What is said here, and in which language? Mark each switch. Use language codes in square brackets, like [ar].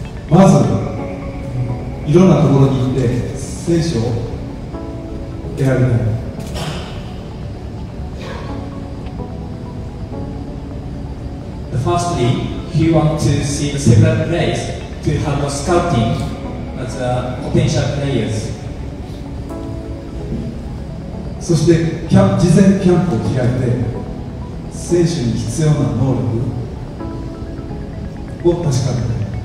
[ja] まずいろんなところに行って選手を選びたい。 [en] The firstly, he want to see the separate place to have a scouting as a potential players. [ja] そしてキャンプ、事前キャンプを開いて選手に必要な能力を確かめる。